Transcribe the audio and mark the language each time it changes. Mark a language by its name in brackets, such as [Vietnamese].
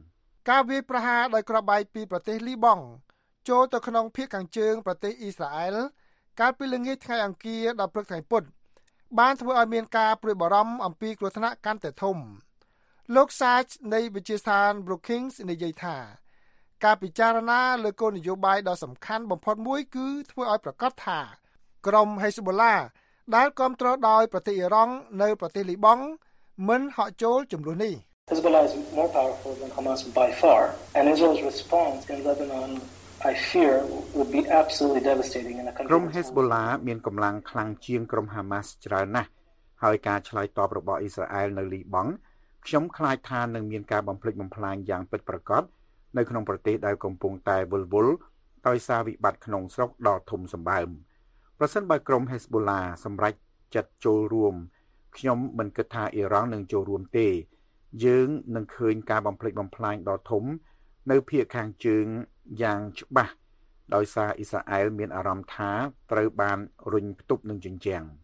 [Khmer] ការវាយប្រហារដោយគ្រាប់បែកពីប្រទេសលីបង់ចូលទៅក្នុងភាគខាងជើងប្រទេសអ៊ីស្រាអែលកាលពីល្ងាចថ្ងៃអង្គារដល់ព្រឹកថ្ងៃពុធបានធ្វើឲ្យមានការព្រួយបារម្ភអំពីគ្រោះថ្នាក់កាន់តែធំលោកសាជនៃវិទ្យាស្ថាន Brookings និយាយថាការពិចារណាលើគោលនយោបាយដ៏សំខាន់បំផុតមួយគឺធ្វើឲ្យប្រកាសថាក្រុម Hezbollah ដែលគ្រប់គ្រងដោយប្រទេសអ៊ីរ៉ង់នៅប្រទេសលីបង់មិនហក់ចូលចំនួននេះ [English] Hezbollah is more powerful than Hamas by far and Israel's response in Lebanon I fear would be absolutely devastating in a country [Khmer] ក្រុម Hezbollah មានកម្លាំងខ្លាំងជាងក្រុម Hamas ច្រើនណាស់ហើយការឆ្លើយតបរបស់ Israel នៅ Liban ខ្ញុំខ្លាចថានឹងមានការបំផ្លិចបំផ្លាញយ៉ាងពិតប្រាកដនៅក្នុងប្រទេសដែលកំពុងតែវិលវល់ ដោយសារវិបត្តិក្នុងស្រុកដល់ធំសម្បើមប្រសិនបើក្រុម Hezbollah សម្រេចចិត្តចូលរួមខ្ញុំមិនគិតថាអ៊ីរ៉ង់នឹងចូលរួមទេយើងនឹងឃើញការបំផ្លិចបំផ្លាញដល់ធំនៅភាគខាងជើងយ៉ាងច្បាស់ដោយសារអ៊ីស្រាអែលមានអារម្មណ៍ថាត្រូវបានរុញផ្ទុបនឹងជញ្ជាំង